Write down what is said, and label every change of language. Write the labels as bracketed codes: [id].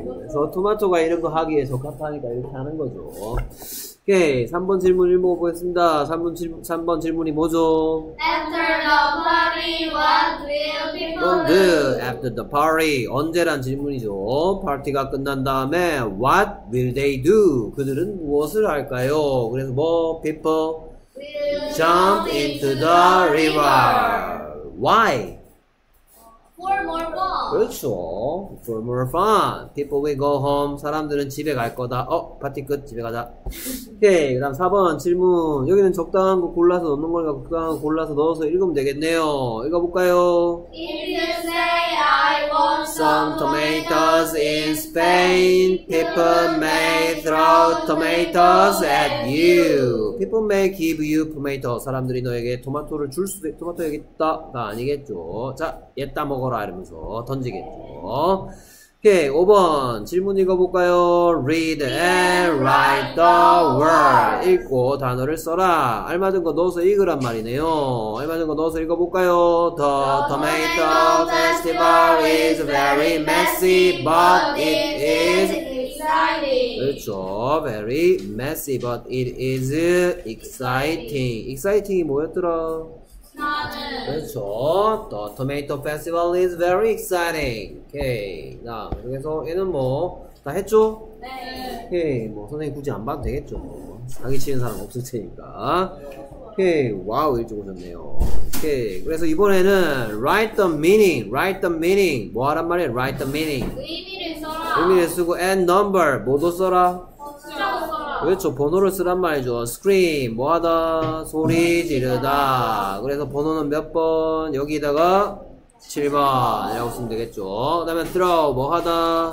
[ko] 그래서 토마토가 이런 거 하기에 적합하니까 이렇게 하는 거죠. 오케이, 3번 질문 읽어보겠습니다. 3번 질문이 뭐죠? [en] After the party, what will people do? After the party, [ko] 언제란 질문이죠. 파티가 끝난 다음에 [en] what will they do? [ko] 그들은 무엇을 할까요? 그래서 뭐 people [en] will jump into the river. Why? For more fun. [ko] 그렇죠. [en] For more fun. People will go home. [ko] 사람들은 집에 갈 거다. 파티 끝. 집에 가자. 오케이. 그 다음 4번 질문. 여기는 적당한 거 골라서 넣는 거니까 적당한 거 골라서 넣어서 읽으면 되겠네요. 읽어볼까요? [en] If you say I want some tomatoes in Spain, people may throw tomatoes at you. People may give you tomato. [ko] 사람들이 너에게 토마토를 줄 수도 있, 토마토 여기 있다. 가 아니겠죠. 자, 얘 따먹어라. 이러면서 던지겠죠. 오케이, 5번 질문 읽어볼까요? [en] Read and write the word. [ko] 읽고 단어를 써라. 알맞은 거 넣어서 읽으란 말이네요. 알맞은 거 넣어서 읽어볼까요? [en] The tomato festival is very messy, but it is exciting. [ko] 그렇죠. [en] Very messy, but it is exciting. [ko] Exciting이 뭐였더라? 그렇죠. [en] The tomato festival is very exciting. Okay. [ko] 자, 그래서 얘는 뭐, 다 했죠? 네. [en] Okay. [ko] 뭐, 선생님 굳이 안 봐도 되겠죠. 뭐. 사기 치는 사람 없을 테니까. Okay. 와우, 일찍 오셨네요. Okay. 그래서 이번에는 [en] write the meaning. Write the meaning. 뭐 하란 말이야? Write the meaning. [ko] 의미를 써라. 의미를 쓰고 [en] and number. [ko] 뭐도 써라? 그렇죠. 번호를 쓰란 말이죠. scream, 뭐하다? 소리 지르다. 그래서 번호는 몇 번? 여기다가 7번이라고 쓰면 되겠죠. 그 다음에 throw, 뭐하다?